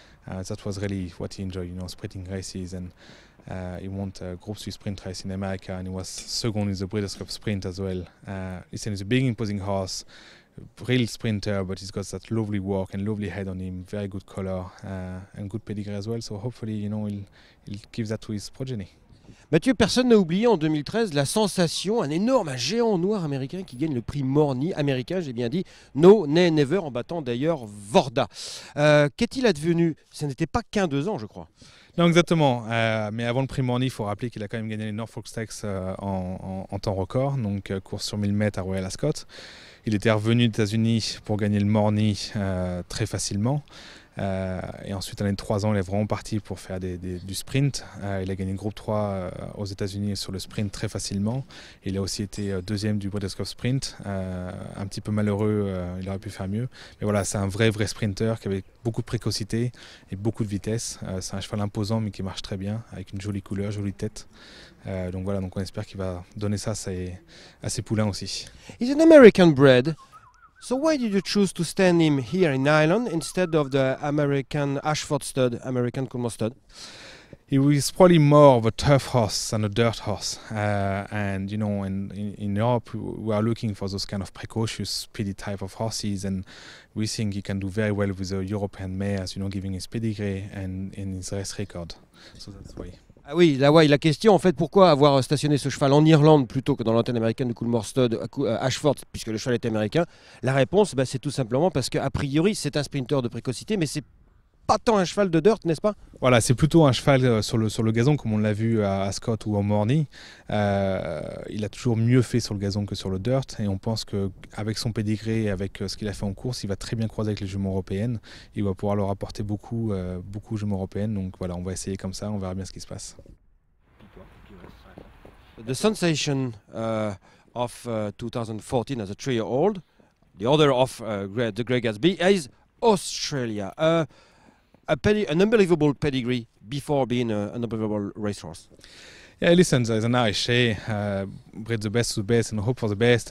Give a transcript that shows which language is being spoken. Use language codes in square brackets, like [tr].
[en] That was really what he enjoyed, you know, sprinting races and. He won a Group 3 sprint race in America and he was second in the Breeders' Cup sprint as well. Listen, he's a big imposing horse, real sprinter, but he's got that lovely walk and lovely head on him, very good colour and good pedigree as well. So hopefully, you know, he'll give that to his progeny. [fr] Mathieu, personne n'a oublié en 2013 la sensation, un géant noir américain qui gagne le prix Morny américain, j'ai bien dit, No Nay Never, en battant d'ailleurs Vorda. Qu'est-il advenu? Ce n'était pas qu'un deux ans, je crois. Non, exactement. Mais avant le prix Morny, il faut rappeler qu'il a quand même gagné les Norfolk Stakes en temps record, donc course sur 1000 mètres à Royal Ascot. Il était revenu des États-Unis pour gagner le Morny très facilement. Et ensuite, à l'année de 3 ans, il est vraiment parti pour faire du sprint. Il a gagné le groupe 3 aux États-Unis sur le sprint très facilement. Il a aussi été deuxième du Breeders' Cup Sprint. Un petit peu malheureux, il aurait pu faire mieux. Mais voilà, c'est un vrai, vrai sprinter qui avait beaucoup de précocité et beaucoup de vitesse. C'est un cheval imposant, mais qui marche très bien, avec une jolie couleur, jolie tête. Donc on espère qu'il va donner ça à ses poulains aussi. [en] He's an American bred. So why did you choose to stand him here in Ireland instead of the American Ashford stud, American Coolmore stud? He was probably more of a tough horse than a dirt horse. And you know, in Europe, we are looking for those kind of precocious, speedy type of horses. And we think he can do very well with the European mares, you know, giving his pedigree and his race record. So that's why. [fr] Ah oui, là, ouais, la question en fait, pourquoi avoir stationné ce cheval en Irlande plutôt que dans l'antenne américaine de Coolmore Stud à Ashford, puisque le cheval est américain? La réponse, bah, c'est tout simplement parce qu'a priori, c'est un sprinter de précocité, mais c'est pas tant un cheval de dirt, n'est-ce pas? Voilà, c'est plutôt un cheval sur le gazon, comme on l'a vu à Ascot ou au Morny. Il a toujours mieux fait sur le gazon que sur le dirt, et on pense qu'avec son pedigree et avec ce qu'il a fait en course, il va très bien croiser avec les jumeaux européennes. Il va pouvoir leur apporter beaucoup, beaucoup de jumeaux européennes. Donc voilà, on va essayer comme ça, on verra bien ce qui se passe. [en] The sensation of 2014 as a three-year-old, the other of the Grey Gatsby, is Australia. An unbelievable pedigree before being an unbelievable racehorse. Yeah, listen, there's an Irish say, breed the best of the best and hope for the best.